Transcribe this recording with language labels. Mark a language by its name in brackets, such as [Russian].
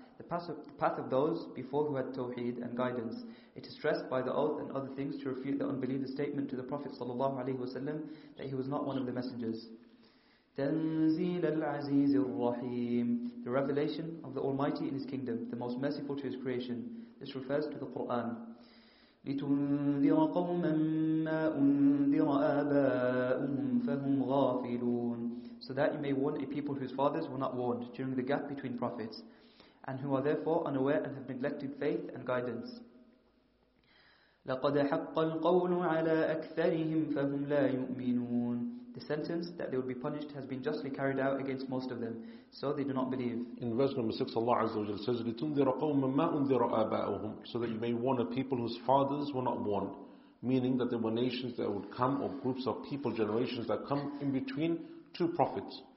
[English] The path of those before who had tawheed and guidance. It is stressed by the oath and other things to refute the unbeliever's statement to the Prophet [Arabic] صلى الله عليه وسلم [English] that he was not one of the messengers. [Arabic] تنزيل العزيز الرحيم. [English] The revelation of the Almighty in His kingdom, the most merciful to His creation. This refers to the Quran. [Arabic] لتنذر قوما ما أنذر آباؤهم فهم غافلون. [English] So that you may warn a people whose fathers were not warned during the gap between prophets, and who are therefore unaware and have neglected faith and guidance. [Arabic] لقد حق القول على أكثرهم فهم لا يؤمنون. [English] The sentence that they would be punished has been justly carried out against most of them, so they do not believe. In verse number 6, Allah Azza wa Jalla says, [Arabic] لِتُنذِرَ قَوْمًا مَا أُنذِرَ آبَاؤُهُمْ. [English] So that you may warn a people whose fathers were not warned, meaning that there were nations that would come, or groups of people, generations that come in between two prophets.